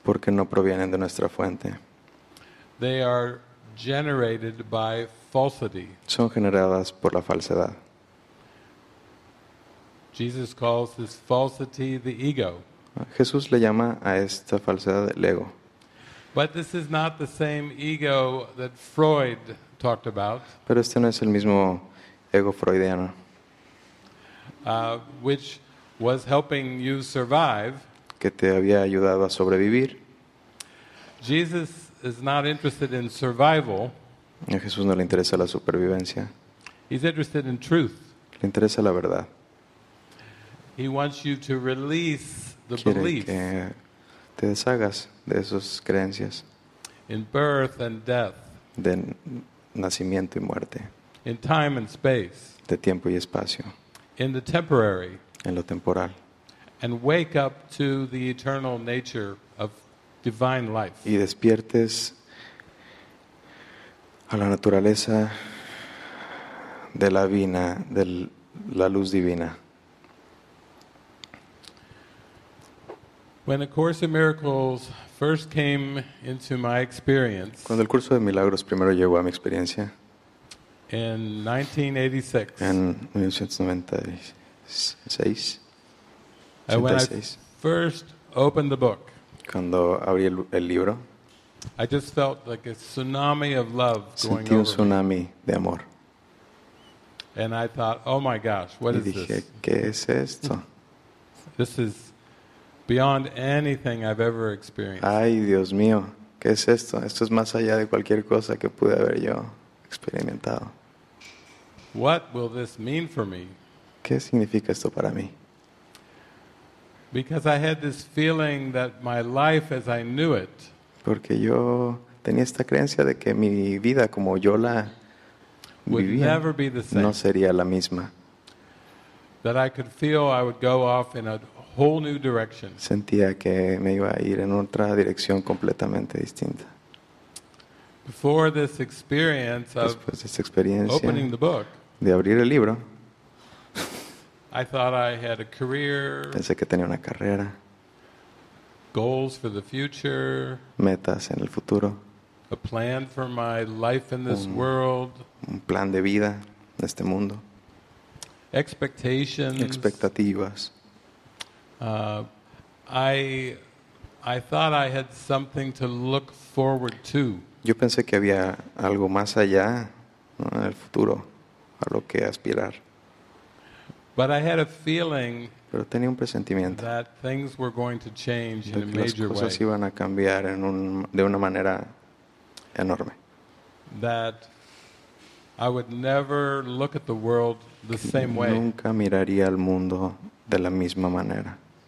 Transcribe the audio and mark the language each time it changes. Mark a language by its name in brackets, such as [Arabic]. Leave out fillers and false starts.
[Spanish] Porque no provienen de nuestra fuente. [English] They are generated by falsity. [Spanish] Son generadas por la falsedad. [English] Jesus calls this falsity the ego. [Spanish] Jesús le llama a esta falsedad el ego. [English] But this is not the same ego that Freud talked about. [Spanish] Pero este no es el mismo ego freudiano. [English] Which was helping you survive. [Spanish] Que te había ayudado a sobrevivir. [English] Jesus is not interested in survival. [Spanish] A Jesús no le interesa la supervivencia. [English] He's interested in truth. [Spanish] Le interesa la verdad. [English] He wants you to release the beliefs. [Spanish] Quiere que te deshagas de esas creencias. [English] In birth and death. [Spanish] De nacimiento y muerte. [English] In time and space. [Spanish] De tiempo y espacio. [English] In the temporary. [Spanish] En lo temporal. [English] And wake up to the eternal nature of divine life. [Spanish] Y despiertes a la naturaleza de la vida, de la luz divina. [English] When the Course in Miracles first came into my experience, [Spanish] cuando el curso de milagros primero llegó a mi experiencia, [English] in 1986, when I first opened the book, [Spanish] cuando abrí el libro, [English] I just felt like a tsunami of love going over. [Spanish] Sentí un tsunami de amor. [English] And I thought, oh my gosh, what is this? [Spanish] Y dije, ¿qué es esto? [English] This is beyond anything I've ever experienced. [Spanish] Ay, Dios mío, ¿qué es esto? Esto es más allá de cualquier cosa que pude haber yo experimentado. [English] What will this mean for me? [Spanish] ¿Qué significa esto para mí? [English] Because I had this feeling that my life as I knew it. [Spanish] Porque yo tenía esta creencia de que mi vida como yo la vivía no sería la misma. [English] That I could feel I would go off in a whole new direction. [Spanish] Sentía que me iba a ir en otra dirección completamente distinta. [English] Before this experience of opening the book, [Spanish] de abrir el libro, [English] I thought I had a career. [Spanish] Pensé que tenía una carrera. [English] Goals for the future. [Spanish] Metas en el futuro. [English] A plan for my life in this world. [Spanish] Un plan de vida en este mundo. [English] Expectations. [Spanish] Expectativas. [English] I thought I had something to look forward to. [Spanish] Yo pensé que había algo más allá, ¿no?, en el futuro, a lo que aspirar. [English] But I had a feeling. [Spanish] Pero tenía un presentimiento [English] that things were going to change in a major way. [Spanish] Las cosas iban a cambiar de una manera enorme. [English] That I would never look at the world the same way. [Spanish] Nunca miraría al mundo de la misma manera.